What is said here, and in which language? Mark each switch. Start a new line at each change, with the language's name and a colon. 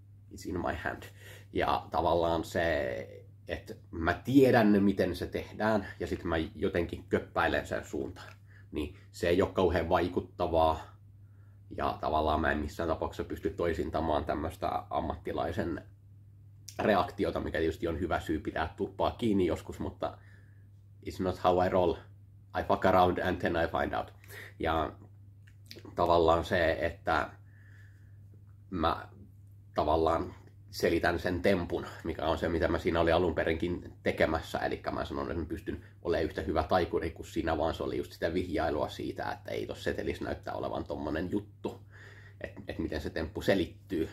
English: It's in my hand.
Finnish: Ja tavallaan se, että mä tiedän, miten se tehdään, ja sit mä jotenkin köppäilen sen suuntaan. Niin se ei ole kauhean vaikuttavaa. Ja tavallaan mä en missään tapauksessa pysty toisintamaan tämmöstä ammattilaisen reaktiota, mikä tietysti on hyvä syy pitää tuppaa kiinni joskus, mutta
English: it's not how I roll. I fuck around and then I find out.
Finnish: Ja tavallaan se, että mä tavallaan selitän sen tempun, mikä on se, mitä mä siinä olin alun perinkin tekemässä. Eli mä sanon, että mä pystyn olemaan yhtä hyvä taikuri kuin siinä, vaan se oli just sitä vihjailua siitä, että ei tossa setelis näyttää olevan tommonen juttu, että miten se temppu selittyy.